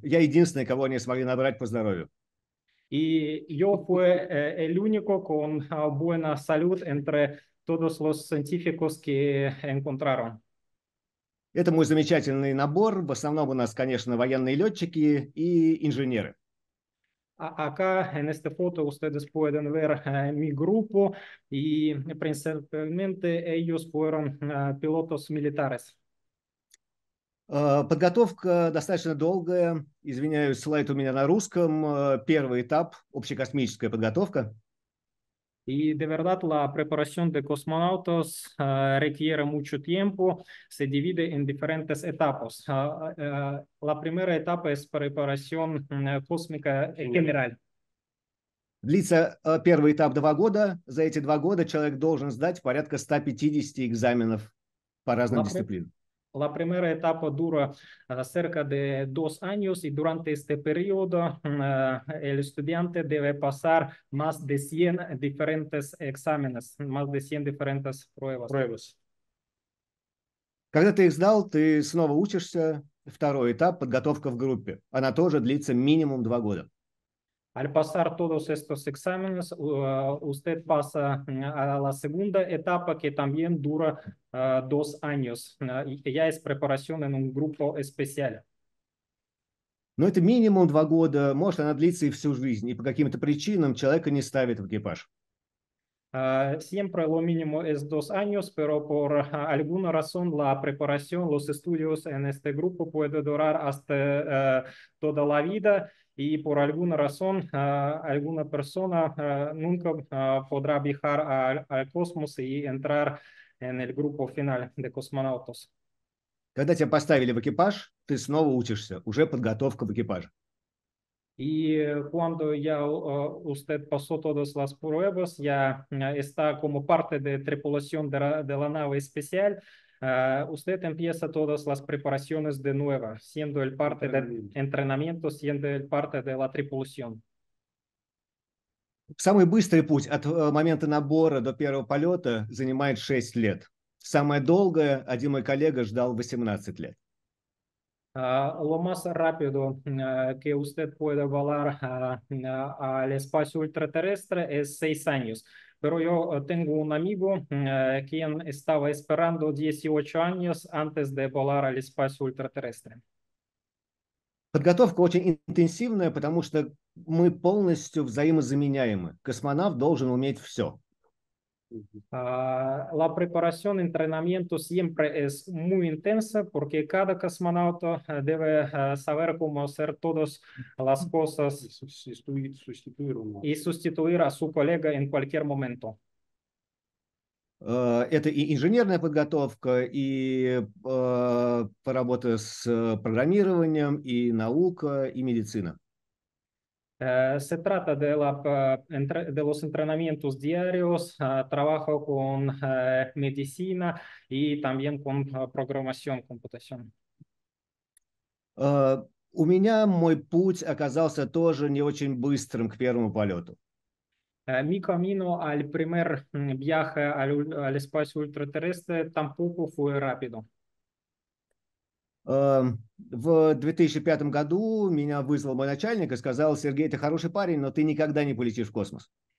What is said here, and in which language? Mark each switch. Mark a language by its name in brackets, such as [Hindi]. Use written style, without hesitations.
[Russian] Я единственный, кого они смогли набрать по здоровью. И [Spanish] yo fui el único con buena salud entre todos los científicos que encontraron. [Russian] Это мой замечательный набор. В основном у нас, конечно, военные летчики и инженеры. [Spanish] Acá en este foto ustedes pueden ver mi grupo y principalmente ellos fueron pilotos militares. [Russian] Подготовка достаточно долгая. Извиняюсь, слайд у меня на русском. Первый этап – общекосмическая подготовка. [Spanish] Y de verdad la preparación de cosmonautas requiere mucho tiempo, se divide en diferentes etapas. La primera etapa es preparación cósmica general. [Russian] Длится первый этап 2 года. За эти 2 года человек должен сдать порядка 150 экзаменов по разным дисциплинам. [Spanish] La primera etapa dura cerca de 2 años y durante este periodo el estudiante debe pasar más de 100 diferentes exámenes, más de 100 diferentes pruebas. [Russian] Когда ты их сдал, ты снова учишься. Второй этап – подготовка в группе. Она тоже длится минимум 2 года. [Spanish] Al pasar todos estos exámenes, usted pasa a la segunda etapa que también dura 2 años. Ya es preparación en un grupo especial. [Russian] Но это минимум 2 года, может она длится и всю жизнь, и по каким-то причинам человека не ставят в экипаж. [Spanish] Siempre lo mínimo es 2 años, pero por alguna razón la preparación, los estudios en este grupo puede durar hasta toda la vida. [Russian] И [Spanish] por alguna razón, alguna persona nunca podrá viajar al cosmos y entrar en el grupo final de cosmonautas. [Russian] Когда тебя поставили в экипаж, ты снова учишься, уже подготовка в экипаже. [Spanish] Y cuando ya usted pasó todas las pruebas, ya está como parte de tripulación de la nave especial, usted empieza todas las preparaciones de nuevo, siendo el parte del entrenamiento, siendo el parte de la tripulación. [Russian] Самый быстрый путь от момента набора до первого полета занимает 6 лет. Самое долгое один мой коллега ждал 18 лет. [Spanish] Lo más rápido que usted puede volar al espacio ultraterrestre es 6 años. Pero yo tengo un amigo quien estaba esperando 18 años antes de volar al espacio ultraterrestre. [Russian] Подготовка очень интенсивная, потому что мы полностью взаимозаменяемы. Космонавт должен уметь все. [Spanish] La preparación y entrenamiento siempre es muy intensa porque cada cosmonauta debe saber cómo hacer todas las cosas y sustituir a su colega en cualquier momento. [Russian] Это и инженерная подготовка, и работа с программированием, и наука, и медицина. [Spanish] Se trata de, de los entrenamientos diarios, trabajo con medicina y también con programación, computación. [Russian] У меня мой путь оказался тоже не очень быстрым к первому полету. [Spanish] Mi camino al primer viaje al espacio ultraterrestre tampoco fue rápido. [Russian] В 2005 году меня вызвал мой начальник и сказал: «Сергей, ты хороший парень, но ты никогда не полетишь в космос».